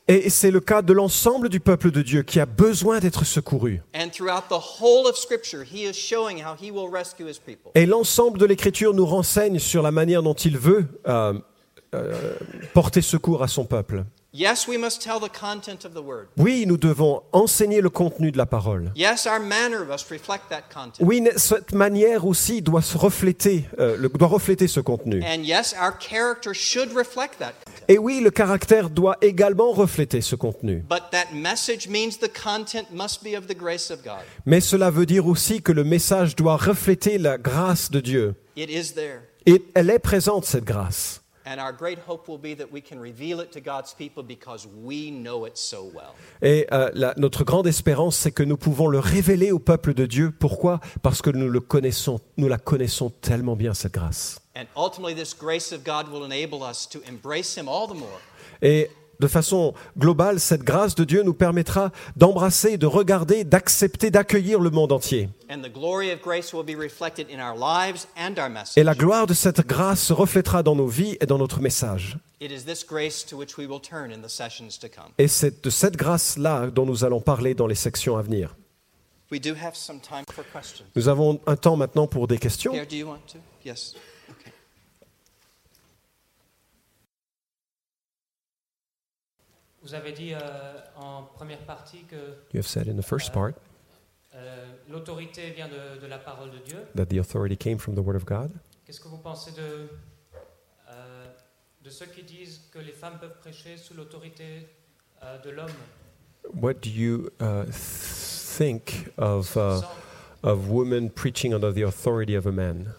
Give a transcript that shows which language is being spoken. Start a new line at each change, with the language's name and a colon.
French: Et c'est le cas de l'ensemble du peuple de Dieu qui a besoin d'être secouru.
English: And throughout the whole of Scripture, he is showing how he will rescue his people.
French: Et l'ensemble de l'Écriture nous renseigne sur la manière dont il veut porter secours à son peuple.
English: Yes, we must tell the content of the word.
French: Oui, nous devons enseigner le contenu de la parole.
English: Yes, our manner must reflect that content.
French: Oui, cette manière aussi doit refléter ce contenu.
English: And yes, our character should reflect that content.
French: Et oui, le caractère doit également refléter ce contenu.
English: But that message means the content must be of the grace of God.
French: Mais cela veut dire aussi que le message doit refléter la grâce de Dieu.
English: It is there.
French: Et elle est présente, cette grâce.
English: And our great hope will be that we can reveal it to God's people because we know it so well.
French: Et notre grande espérance c'est que nous pouvons le révéler au peuple de Dieu. Pourquoi? Parce que nous la connaissons tellement bien cette grâce.
English: And ultimately this grace of God will enable us to embrace him all the more.
French: Et de façon globale cette grâce de Dieu nous permettra d'embrasser, de regarder, d'accepter, d'accueillir le monde entier.
English: And the glory of grace will be reflected in our lives and our message.
French: Et la gloire de cette grâce se reflétera dans nos vies et dans notre message.
English: It is this grace to which we will turn in the sessions to come.
French: Et c'est de cette grâce-là dont nous allons parler dans les sections à venir.
English: We do have some time for questions.
French: Nous avons un temps maintenant pour des questions.
English: Pierre, do you want to? Yes. Okay.
French: Vous avez dit en première partie que
English: you have said in the first part
French: l'autorité vient de la parole de Dieu.
English: That the authority came from the word of God.
French: Qu'est-ce que vous pensez de ceux qui disent que les femmes peuvent prêcher sous l'autorité de l'homme?
English: What do you think of of women preaching under the authority of a man?